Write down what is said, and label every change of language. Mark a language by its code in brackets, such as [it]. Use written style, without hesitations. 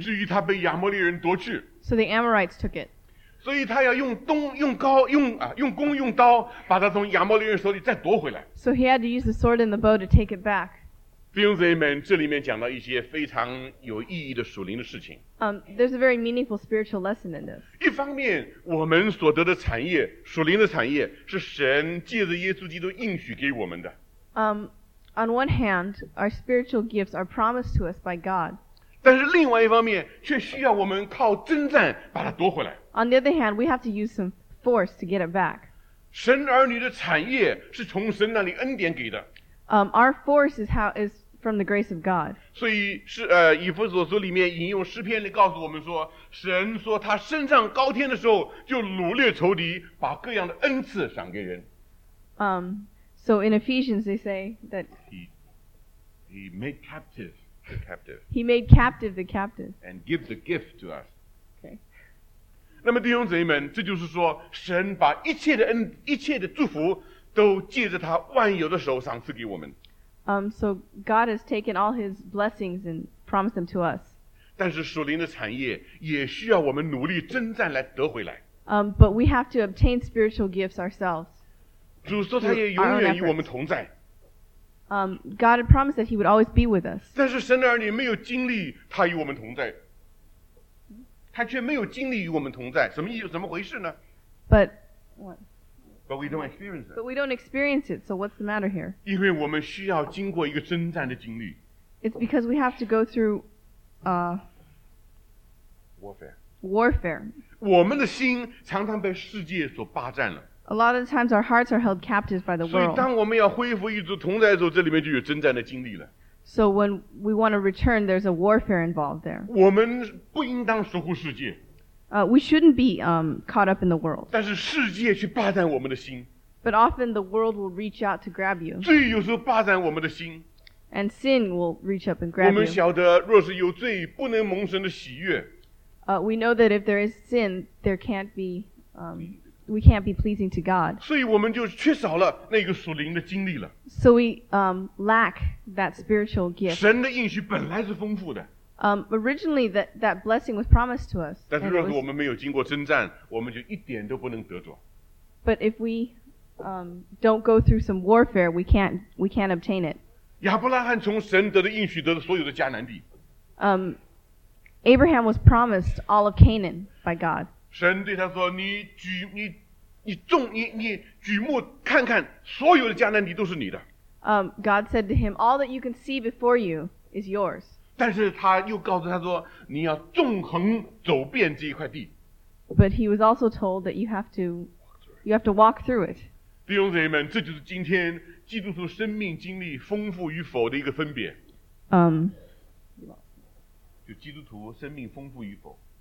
[zh] 以至于他被亚摩利人夺去。 [en] So the Amorites took it. [zh] 所以他要用弓用刀把他从亚摩利人手里再夺回来。 [en] So he had to use the sword and the bow to take it back. [zh] 弟兄姊妹们，这里面讲到一些非常有意义的属灵的事情。 [en] There's a very meaningful spiritual lesson in this. [zh] 一方面，我们所得的产业，属灵的产业，是神借着耶稣基督应许给我们的。 [en] On one hand, our spiritual gifts are promised to us by God. [zh] 但是另外一方面，却需要我们靠征战把它夺回来。 [en] On the other hand, we have to use some force to get it back. [zh] 神儿女的产业是从神那里恩典给的。 [en] Our force is from the grace of God. [zh] 所以是以弗所书里面引用诗篇里告诉我们说，神说他升上高天的时候，就掳掠仇敌，把各样的恩赐赏给人。 [en] So in Ephesians they say that he made captive the captive. He made captive the captive. And give the gift to us. Okay. [zh] 那么弟兄姊妹们，这就是说神把一切的恩一切的祝福都借着他万有的手赏赐给我们。 [en] So God has taken all his blessings and promised them to us. [zh] 但是属灵的产业也需要我们努力征战来得回来。 [en] But we have to obtain spiritual gifts ourselves. [zh] 主说他也永远与我们同在。 [en] God had promised that he would always be with us. [zh] 但是神的儿女没有经历他与我们同在。他却没有经历与我们同在。什么意思？怎么回事呢？ [en] But we don't experience it. But we don't experience it, so what's the matter here? [zh] 因为我们需要经过一个征战的经历。 [en] It's because we have to go through, warfare. [zh] 我们的心常常被世界所霸占了。 [en] A lot of the times our hearts are held captive by the world. [zh] 所以当我们要恢复与主同在的时候，这里面就有征战的经历了。 [en] So when we want to return, there's a warfare involved there. [zh] 我们不应当属乎世界。 [en] We shouldn't be caught up in the world. [zh] 但是世界却霸占我们的心。 [en] But often the world will reach out to grab you. [zh] 罪有时候霸占我们的心。 [en] And sin will reach up and grab you. [zh] 我们晓得若是有罪不能蒙神的喜悦。 [en] We know that if there is sin, there can't be, we can't be pleasing to God. [zh] 所以我们就缺少了那个属灵的经历了。 [en] So we lack that spiritual gift. [zh] 神的应许本来是丰富的。 [en] Originally that blessing was promised to us. [zh] 但是若是我们没有经过征战，我们就一点都不能得着。 [en] But if we don't go through some warfare, we can't obtain it. [zh] 亚伯拉罕从神得的应许得的所有的迦南地。 [en] Abraham was promised all of Canaan by God. [zh] 神对他说：“你举目看看，所有的迦南地都是你的。” [en] God said to him, "All that you can see before you is yours." [zh] 但是他又告诉他说：“你要纵横走遍这一块地。” [en] But he was also told that you have to walk through it. [zh] 弟兄姊妹们，这就是今天基督徒生命经历丰富与否的一个分别。就基督徒生命丰富与否。